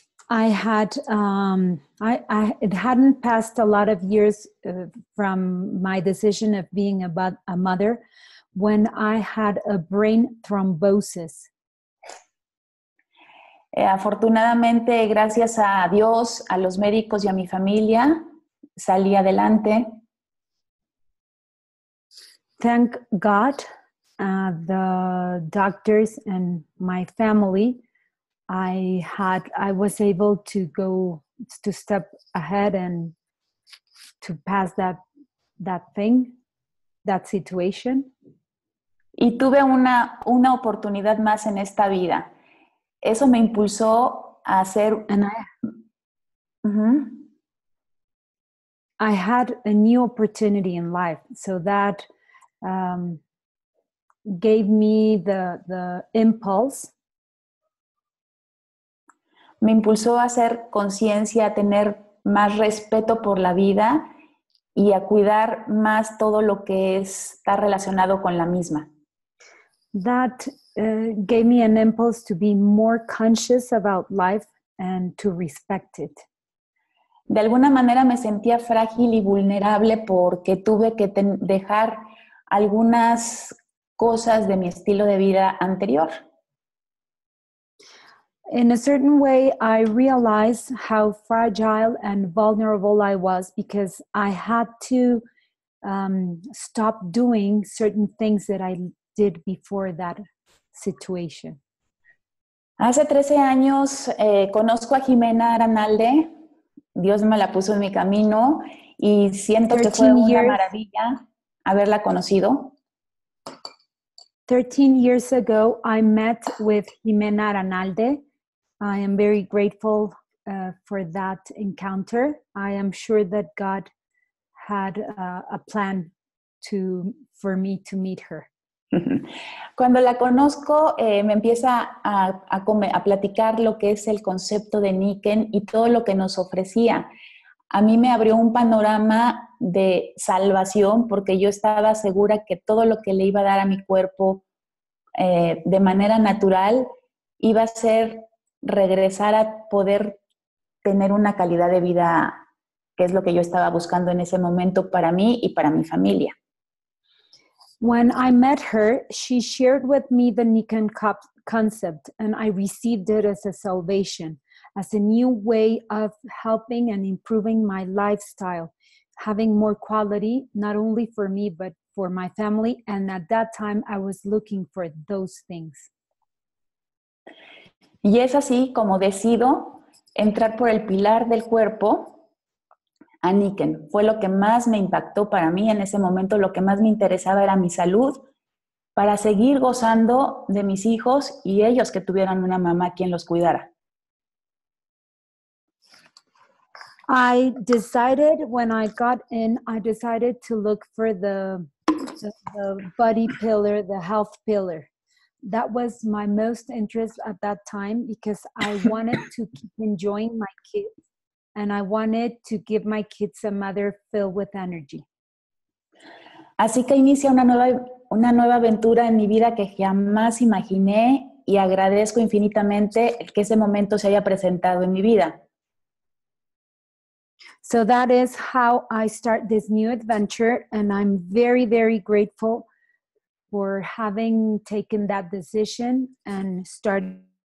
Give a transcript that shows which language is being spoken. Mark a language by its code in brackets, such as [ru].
[en] It hadn't passed a lot of years from my decision of being a mother when I had a brain thrombosis. [es] Afortunadamente, gracias a Dios, a los médicos y a mi familia, salí adelante. [en] Thank God, the doctors and my family, I was able to step ahead and to pass that situation. [es] Y tuve una oportunidad más en esta vida. Eso me impulsó a hacer. [en] And I, uh-huh. I had a new opportunity in life, so that gave me the impulse. [es] Me impulsó a hacer conciencia, a tener más respeto por la vida y a cuidar más todo lo que está relacionado con la misma. [en] That gave me an impulse to be more conscious about life and to respect it. [es] De alguna manera me sentía frágil y vulnerable porque tuve que dejar algunas cosas de mi estilo de vida anterior. [en] In a certain way, I realized how fragile and vulnerable I was because I had to stop doing certain things that I did before that situation. [es] Hace 13 años, conozco a Jimena Aranalde. Dios me la puso en mi camino y siento que fue una maravilla haberla conocido. [en] 13 years ago, I met with Jimena Aranalde. I am very grateful for that encounter. I am sure that God had a plan for me to meet her. [es] Cuando la conozco, me empieza a platicar lo que es el concepto de Niken y todo lo que nos ofrecía. A mí me abrió un panorama de salvación porque yo estaba segura que todo lo que le iba a dar a mi cuerpo de manera natural iba a ser regresar a poder tener una calidad de vida, que es lo que yo estaba buscando en ese momento para mí y para mi familia. [en] When I met her, she shared with me the Niken concept, and I received it as a salvation, as a new way of helping and improving my lifestyle, having more quality, not only for me, but for my family. And at that time, I was looking for those things. [es] Y es así como decido entrar por el pilar del cuerpo a Niken. Fue lo que más me impactó para mí en ese momento. Lo que más me interesaba era mi salud para seguir gozando de mis hijos y ellos que tuvieran una mamá quien los cuidara. [en] I decided when I got in, I decided to look for the body pillar, the health pillar. That was my most interest at that time because I wanted to keep enjoying my kids and I wanted to give my kids a mother filled with energy. [es] Así que inicia una nueva aventura en mi vida que jamás imaginé y agradezco infinitamente que ese momento se haya presentado en mi vida. [en] So that is how I start this new adventure and I'm very, very grateful for having taken that decision and started.